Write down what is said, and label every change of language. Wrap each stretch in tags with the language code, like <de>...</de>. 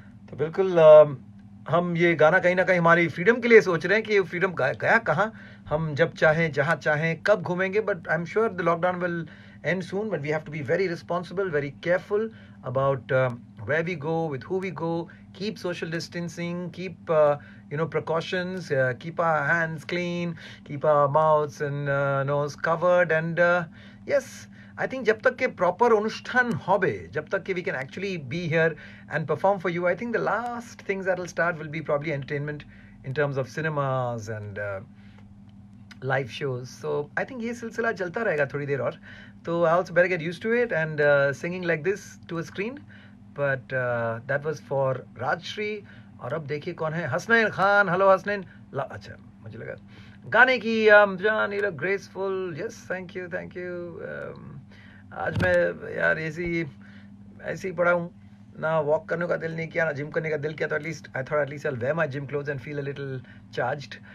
<hi>तो बिल्कुल हम ये गाना कहीं ना कहीं हमारी फ्रीडम के लिए सोच रहे हैं कि फ्रीडम गया कहाँ, हम जब चाहें जहाँ चाहें कब घूमेंगे,</hi> <en>But I am sure the lockdown will end soon, but we have to be very responsible, very careful about where we go, with who we go, keep social distancing, keep, you know, precautions, keep our hands clean, keep our mouths and nose covered. And yes, I think</en> <hi>jab tak ke proper anushthan hobe, jab tak ke</hi> <en>we can actually be here and perform for you, I think the last things that will start will be probably entertainment in terms of cinemas and live shows. So I think</en> <hi>ye silsila chalta rahega thodi der aur.</hi> <en>So I also better get used to it and singing like this to a screen. But that was for Rajshree.</en> <hi>और अब देखिए कौन है, Hasnain Khan, hello Hasnain. अच्छा मुझे लगा गाने की जान,</hi> <en>You look graceful. Yes thank you thank you.</en> <hi>आज मैं यार ऐसी पड़ा हूँ ना, वॉक करने का दिल नहीं किया ना जिम करने का दिल किया,</hi> <en>तो at least I thought at least I will wear my gym clothes and feel a little charged.</en>